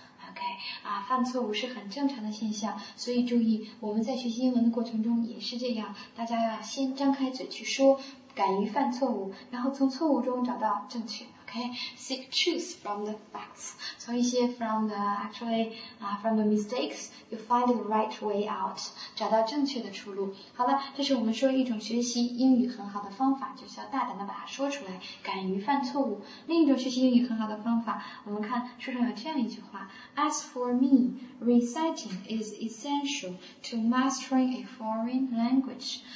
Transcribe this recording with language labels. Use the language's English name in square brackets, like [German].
[Chinese] OK, 啊，犯错误是很正常的现象，所以注意我们在学习英文的过程中也是这样，大家要先张开嘴去说，敢于犯错误，然后从错误中找到正确。 [English] OK, seek truth from the facts, 从一些 from the actually, from the mistakes, you find the right way out, [Chinese] 找到正确的出路。好了，这是我们说一种学习英语很好的方法，就是要大胆的把它说出来，敢于犯错误。另一种学习英语很好的方法，我们看书上有这样一句话， [English] As for me, reciting is essential to mastering a foreign language.